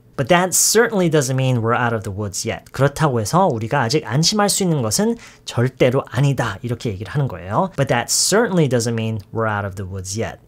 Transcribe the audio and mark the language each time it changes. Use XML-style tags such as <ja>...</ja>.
<en>But that certainly doesn't mean we're out of the woods yet.</en> <ko>그렇다고 해서 우리가 아직 안심할 수 있는 것은 절대로 아니다 이렇게 얘기를 하는 거예요.</ko> <en>But that certainly doesn't mean we're out of the woods yet.</en>